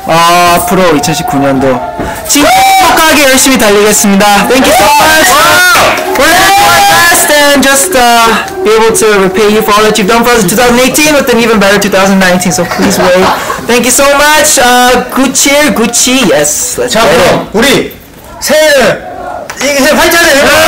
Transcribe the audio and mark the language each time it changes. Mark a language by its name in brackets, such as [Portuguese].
[Korean] 앞으로 2019년도 진짜하게 열심히 달리겠습니다. [English] Thank you so much. We're best and just be able to repay you for all that you've done for us in 2018 with an even better 2019. So please wait. Thank you so much. Gucci. Yes. [Korean] Let's 자, 그럼 우리 새해 화이팅을 해요.